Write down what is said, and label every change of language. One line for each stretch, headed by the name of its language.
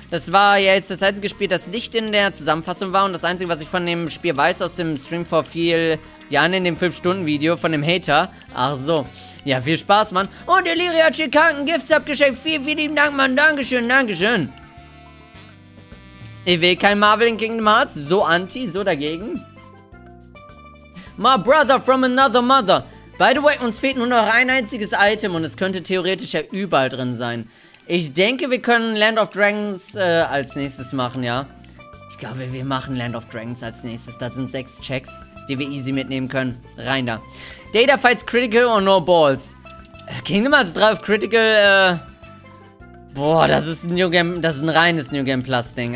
German: Das war ja jetzt das einzige Spiel, das nicht in der Zusammenfassung war. Und das Einzige, was ich von dem Spiel weiß, aus dem Stream vor viel Jahren in dem 5-Stunden-Video von dem Hater. Ach so. Ja, viel Spaß, Mann. Und Illyria Chikanken, Gifts abgeschenkt. Vielen lieben Dank, Mann. Dankeschön. Ich will kein Marvel in Kingdom Hearts. So anti, so dagegen.
English: My brother from another mother. By the way,
German: uns fehlt nur noch ein einziges Item und es könnte theoretisch ja überall drin sein. Ich denke, wir können Land of Dragons als nächstes machen, ja? Ich glaube, wir machen Land of Dragons als nächstes. Da sind 6 Checks, die wir easy mitnehmen können. Rein da.
English: Data fights critical or no balls?
German: Kingdom Hearts 3 auf critical, boah, das ist ein New Game, das ist ein reines New Game Plus Ding.